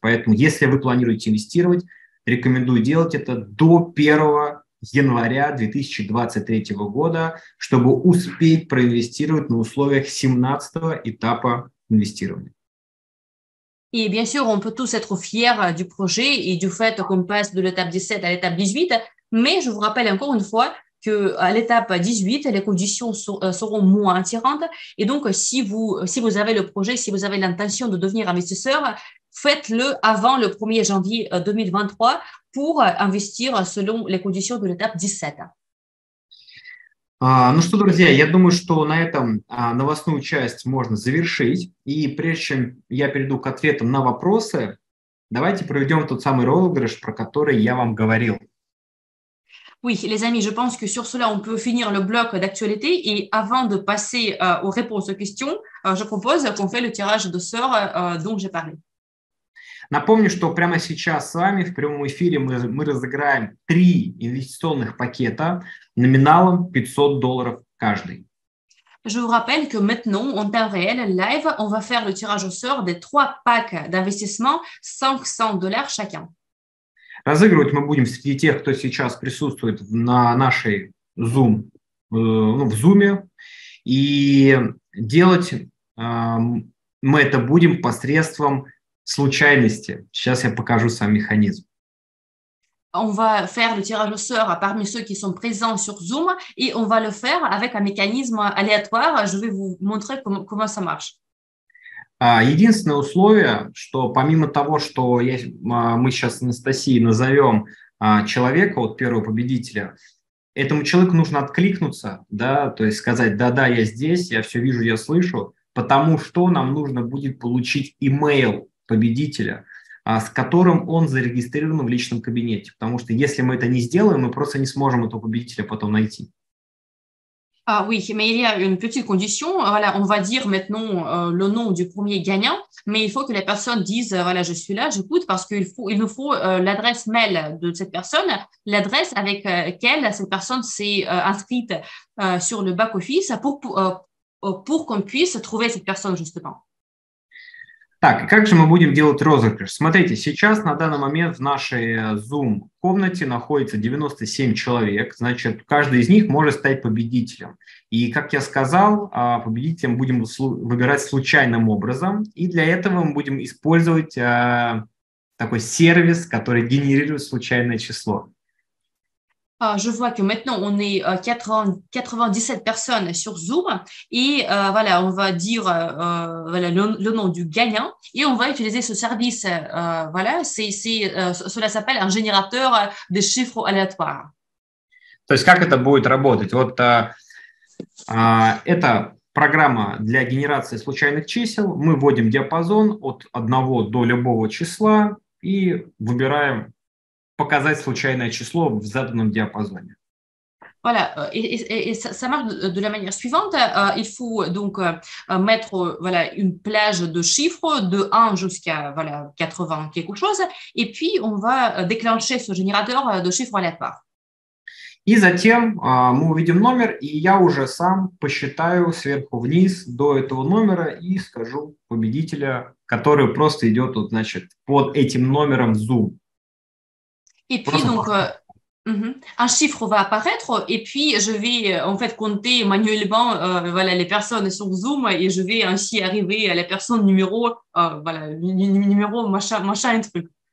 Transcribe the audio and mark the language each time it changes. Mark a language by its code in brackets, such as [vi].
[ru] Поэтому, если вы планируете инвестировать, рекомендую делать это до 1 января 2023 года, чтобы успеть проинвестировать на условиях 17 этапа инвестирования. [fr] Et bien sûr, on peut tous être fiers du projet et du fait qu'on passe de l'étape 17 à l'étape 18, mais je vous rappelle encore une fois qu'à l'étape 18, les conditions seront moins attirantes. Et donc, si vous avez le projet, si vous avez l'intention de devenir investisseur, faites-le avant le 1er janvier 2023 pour investir selon les conditions de l'étape 17. [ru] Ну что, друзья, я думаю, что на этом новостную часть можно завершить. И прежде чем я перейду к ответам на вопросы, давайте проведем тот самый розыгрыш, про который я вам говорил. [fr] Oui, les amis, je pense que sur cela on peut finir le bloc d'actualité. Et avant de passer aux réponses aux questions, je propose qu'on fait le tirage de sort dont j'ai parlé. [ru] Напомню, что прямо сейчас с вами в прямом эфире мы разыграем три инвестиционных пакета номиналом $500 каждый. [fr] Je vous rappelle que maintenant, en temps réel, live, on va faire le tirage au sort des trois packs d'investissement $500 chacun. [ru] Разыгрывать мы будем среди тех, кто сейчас присутствует на нашей Zoom, в Zoom, и делать мы это будем посредством случайности. Сейчас я покажу сам механизм. [fr] On va faire le tirage au sort parmi ceux qui sont présents sur Zoom et on va le faire avec un mécanisme aléatoire. Je vais vous montrer comment ça marche. [ru] Единственное условие, что помимо того, что мы сейчас Анастасией назовем человека, вот первого победителя, этому человеку нужно откликнуться, да, то есть сказать, да-да, я здесь, я все вижу, я слышу, потому что нам нужно будет получить имейл победителя, с которым он зарегистрирован в личном кабинете. Потому что если мы это не сделаем, мы просто не сможем этого победителя потом найти. [fr] Oui, mais il y a une petite condition. Voilà, on va dire maintenant le nom du premier gagnant, mais il faut que la personne dise, voilà, je suis là, j'écoute, parce qu'il faut, il nous faut l'adresse mail de cette personne, l'adresse avec laquelle cette personne s'est inscrite sur le back-office pour qu'on puisse trouver cette personne, justement. [ru] Так, как же мы будем делать розыгрыш? Смотрите, сейчас на данный момент в нашей Zoom-комнате находится 97 человек, значит, каждый из них может стать победителем. И, как я сказал, победителем будем выбирать случайным образом, и для этого мы будем использовать такой сервис, который генерирует случайное число. [fr] Je vois que maintenant, on est 97 personnes sur Zoom et voilà, on va dire voilà, le nom du gagnant et on va utiliser ce service. Voilà, cela s'appelle un générateur de chiffres aléatoires. [ru] То есть, как это будет работать? Вот это программа для генерации случайных чисел. Мы вводим диапазон от 1 до любого числа и выбираем показать случайное число в заданном диапазоне. [fr] Voilà, et ça marche de la manière suivante. Il faut donc mettre voilà, une plage de chiffres de 1 jusqu'à voilà, 80 quelque chose, et puis on va déclencher ce générateur de chiffres aléatoires. [ru] И затем мы увидим номер, и я уже сам посчитаю сверху вниз до этого номера и скажу победителя, который просто идет вот, значит, под этим номером Zoom. [fr] Et puis, donc, un chiffre va apparaître et puis je vais, en fait, compter manuellement voilà, les personnes sur Zoom et je vais ainsi arriver à la personne numéro, voilà, numéro, machin, un truc.